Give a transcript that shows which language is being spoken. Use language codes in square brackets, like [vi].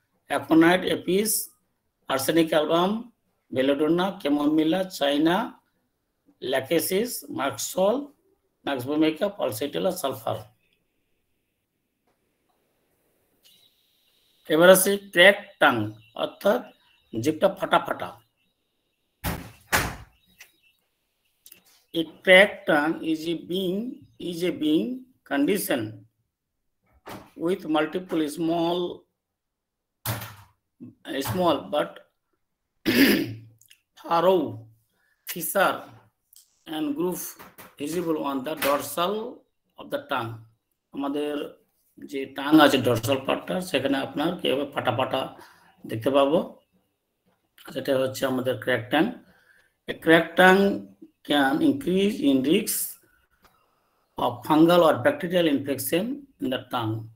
[bn] Aconite, Apis, arsenic album, belladonna, কেমোমিলা, চাইনা, Lachesis, মাক্সল, নাক্সভূমিকা, পালসাইটেলা, sulphur. এবার আসি crack tongue অর্থাৎ জিভটা ফাটা ফাটা। [en] A cracked tongue is a being condition with multiple small but narrow fissure and groove visible on the dorsal of the tongue. [bn] আমাদের যে tongue আছে dorsal পার্টটা সেখানে আপনার কিভাবে ফাটা ফাটা দেখতে পাবো, সেটা হচ্ছে আমাদের crack tongue. [en] A crack tongue can increase in risk of fungal or bacterial infection in the tongue.